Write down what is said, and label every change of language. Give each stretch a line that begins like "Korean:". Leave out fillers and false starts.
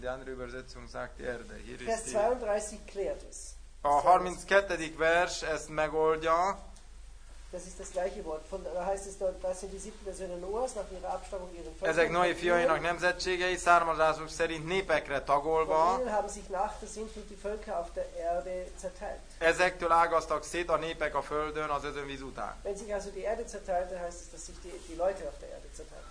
German: Die andere Übersetzung sagt die Erde. Hier Vers 32 klärt es.
Hungarian: A 32. Vers ezt megoldja.
German: Das ist das gleiche Wort. Von, da heißt es dort, das sind die siebten der Söhne Noahs nach ihrer Abstammung ihren Völkern.
Hungarian: Ezek Noé fiainak nemzetségei származásuk szerint népekre tagolva.
German: Von ihnen haben sich nach der Sintflut die Völker auf der Erde zerteilt.
Hungarian: Ezektől ágaztak szét a népek a földön az özönvíz után.
German: Wenn sich also die Erde zerteilt, dann heißt es, dass sich die Leute auf der Erde zerteilt.